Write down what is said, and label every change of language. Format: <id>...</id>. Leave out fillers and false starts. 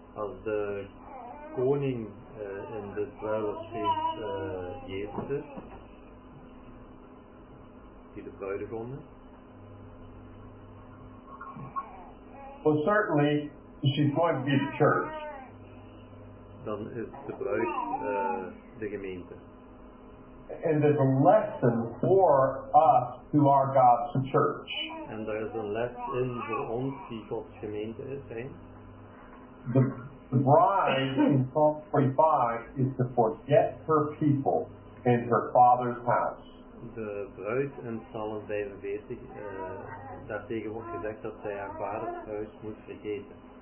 <nl>Als de koning in de bruiloftsfeest Jezus, die de bruidegom is.</nl> <en>Well, certainly she's going to be the church.</en> <nl>Dan is de bruid de gemeente.</nl> <en>And there's a lesson for us who are God's church.</en> <nl>En daar is een les in voor ons die Gods gemeente is, hè?</nl> <en>The bride in Psalm 25 is to forget her people and her father's house.</en> <nl>De bruid in Psalm 45, daartegen wordt gezegd dat zij haar vaders huis moet vergeten.</nl>